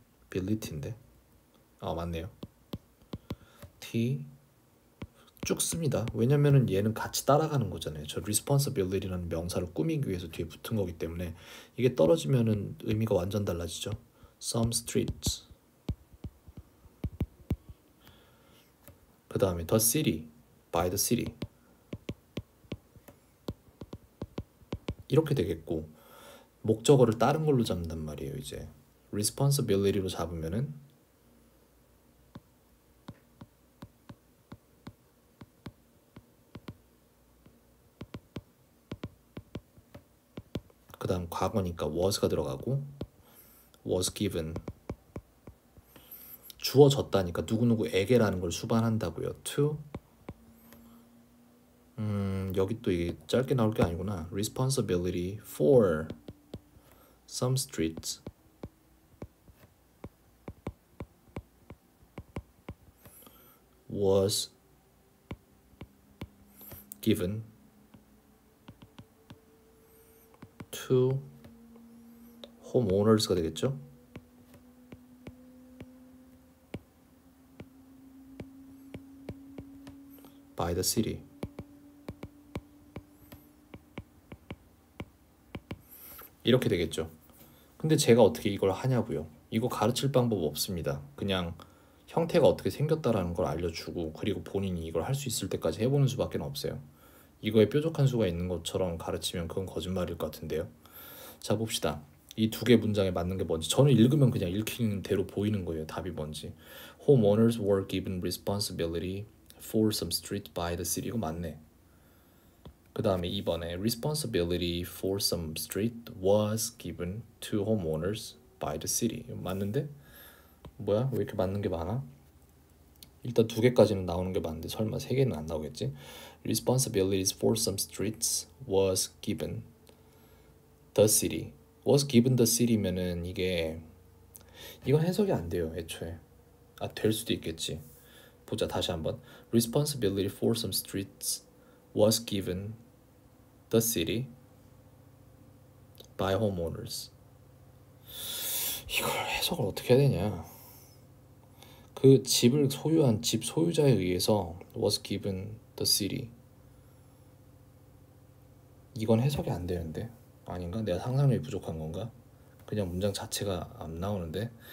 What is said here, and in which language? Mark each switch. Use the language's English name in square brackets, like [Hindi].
[Korean] 빌리티인데? 아, 맞네요. T 쭉 씁니다. 왜냐면은 얘는 같이 따라가는 거잖아요. 저 responsibility라는 명사를 꾸미기 위해서 뒤에 붙은 거기 때문에 이게 떨어지면은 의미가 완전 달라지죠. [English] Some streets. [Korean] 그 다음에 [English] the city, by the city. [Korean] 이렇게 되겠고 목적어를 다른 걸로 잡는단 말이에요, 이제. responsibility로 잡으면은 그다음 과거니까 was가 들어가고 was given 주어졌다니까 누구누구에게라는 걸 수반한다고요. to 여기 또 이게 짧게 나올 게 아니구나. [English] responsibility for some streets. 'was given to homeowners가 [Korean] 되겠죠? [English] 'by the city' [Korean] 이렇게 되겠죠? 근데 제가 어떻게 이걸 하냐고요? 이거 가르칠 방법 없습니다. 그냥 형태가 어떻게 생겼다라는 걸 알려주고 그리고 본인이 이걸 할수 있을 때까지 해보는 수밖에 없어요. 이거에 뾰족한 수가 있는 것처럼 가르치면 그건 거짓말일 것 같은데요. 자, 봅시다. 이두개 문장에 맞는 게 뭔지. 저는 읽으면 그냥 읽히는 대로 보이는 거예요. 답이 뭔지. [English] Homeowners were given responsibility for some street by the city. [Korean] 이거 맞네. 그 다음에 2번에 [English] responsibility for some street was given to homeowners by the city. [Korean] 이거 맞는데? 뭐야? 왜 이렇게 맞는 게 많아? 일단 두 개까지는 나오는 게 맞는데 설마 세 개는 안 나오겠지? [English] Responsibilities for some streets was given the city. [Korean] Was given the city면은 이게 이건 해석이 안 돼요, 애초에. 아, 될 수도 있겠지. 보자, 다시 한번. [English] Responsibility for some streets was given the city by homeowners. [Korean] 이걸 해석을 어떻게 해야 되냐? 그 집을 소유한 집 소유자에 의해서 [English] was given the city. [Korean] 이건 해석이 안 되는데. 아닌가? 내가 상상력이 부족한 건가? 그냥 문장 자체가 안 나오는데.